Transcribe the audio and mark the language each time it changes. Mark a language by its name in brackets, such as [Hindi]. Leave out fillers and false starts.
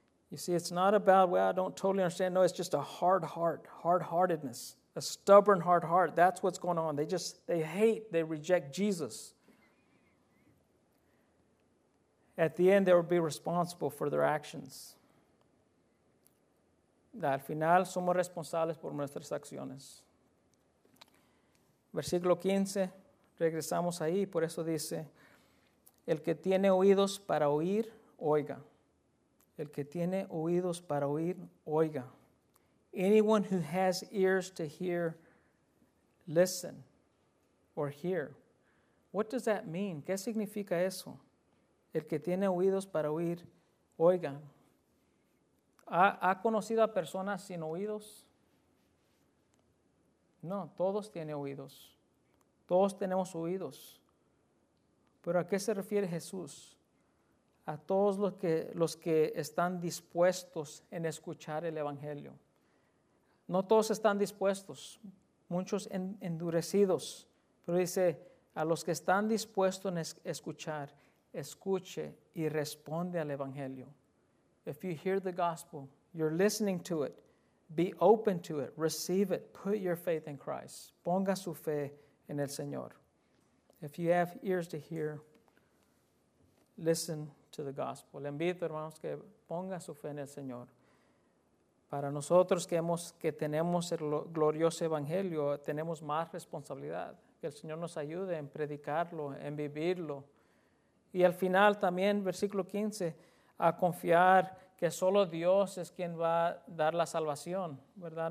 [English] You see, it's not about, well, I don't totally understand. No, it's just a hard heart, hard-heartedness, a stubborn hard heart. That's what's going on. They reject Jesus. At the end, they will be responsible for their actions. [Spanish] Al final, somos responsables por nuestras acciones. Versículo 15, regresamos ahí. Por eso dice, el que tiene oídos para oír, oiga. El que tiene oídos para oír, oiga. [English] Anyone who has ears to hear, listen or hear. What does that mean? [Spanish] ¿Qué significa eso? El que tiene oídos para oír, oiga. ¿Ha conocido a personas sin oídos? No, todos tienen oídos. Todos tenemos oídos. ¿Pero a qué se refiere Jesús? A todos los que están dispuestos en escuchar el Evangelio. No todos están dispuestos, muchos endurecidos, pero dice, a los que están dispuestos en escuchar, escuche y responde al Evangelio. [English] If you hear the gospel, you're listening to it, be open to it, receive it, put your faith in Christ. [Spanish] Ponga su fe en el Señor. [English] If you have ears to hear, listen to the gospel. [Spanish] Le invito, hermanos, que ponga su fe en el Señor. Para nosotros que tenemos el glorioso evangelio, tenemos más responsabilidad. que el Señor nos ayude en predicarlo, en vivirlo. Y al final también, versículo 15, a confiar que solo Dios es quien va a dar la salvación, ¿verdad?